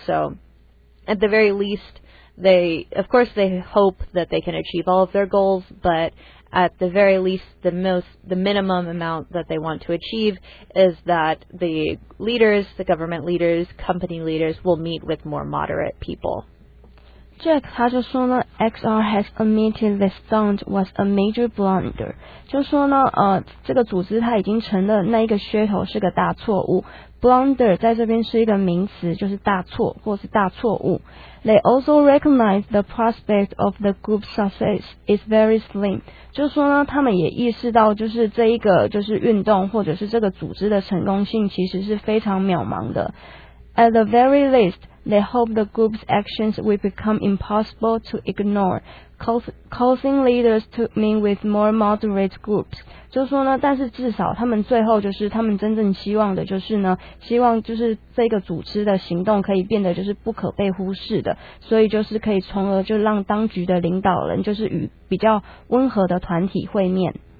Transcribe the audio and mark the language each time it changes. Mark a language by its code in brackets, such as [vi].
[en] So at the very least, they hope that they can achieve all of their goals, but at the very least, the minimum amount that they want to achieve is that the leaders, the government leaders, company leaders, will meet with more moderate people. Jack [zh] 他就说呢 [en] ,XR has admitted the stunt was a major blunder. [zh] 就说呢这个组织他已经承认那一个噱头是个大错误。 Blunder 在这边是一个名词就是大错或是大错误。 [en] They also recognize the prospect of the group's success is very slim. [zh] 就说呢他们也意识到就是这一个就是运动或者是这个组织的成功性其实是非常渺茫的。 [en] At the very least,They hope the group's actions will become impossible to ignore, causing leaders to meet with more moderate groups. [zh] 就说呢，但是至少他们最后就是他们真正希望的就是呢，希望就是这个组织的行动可以变得就是不可被忽视的，所以就是可以从而就让当局的领导人就是与比较温和的团体会面。